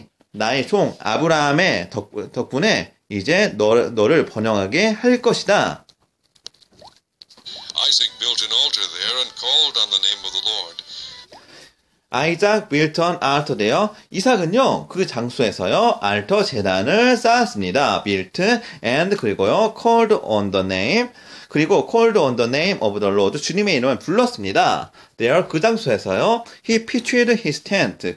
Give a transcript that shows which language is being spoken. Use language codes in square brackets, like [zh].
[ko] 나의 종, 아브라함의 덕분에 이제 너를 번영하게 할 것이다. [en] Isaac built an altar there and called on the name of the Lord. Isaac built an altar there. [ko] 이삭은요, 그 장소에서요, 알터 제단을 쌓았습니다. [en] Built and [ko] 그리고요, [en] called on the name. [ko] 그리고 [en] called on the name of the Lord. [ko] 주님의 이름을 불렀습니다. [en] There, [ko] 그 장소에서요, [en] he pitched his tent.